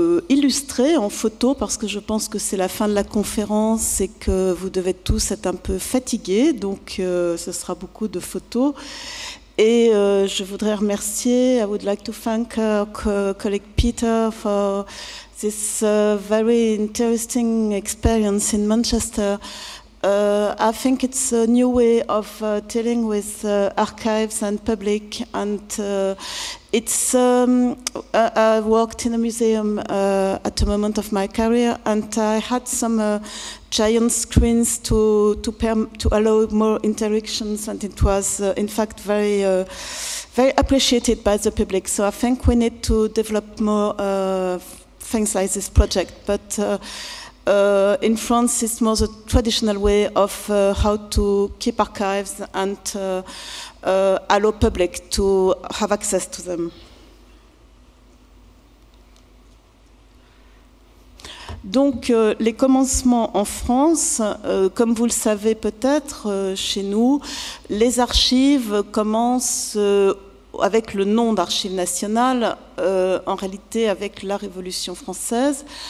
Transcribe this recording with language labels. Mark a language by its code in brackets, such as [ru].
[fr] illustré en photo, parce que je pense que c'est la fin de la conférence et que vous devez tous être un peu fatigués, donc ce sera beaucoup de photos. Et je voudrais remercier, [en] I would like to thank our colleague Peter for this very interesting experience in Manchester. I think it's a new way of dealing with archives and public, and it's I worked in a museum at a moment of my career, and I had some giant screens to allow more interactions, and it was in fact very very appreciated by the public. So I think we need to develop more things like this project, but in France, it's more the traditional way of how to keep archives and allow public to have access to them. [fr] Donc, les commencements en France, comme vous le savez peut-être, chez nous, les archives commencent avec le nom d'archives nationales, en réalité avec la Révolution française.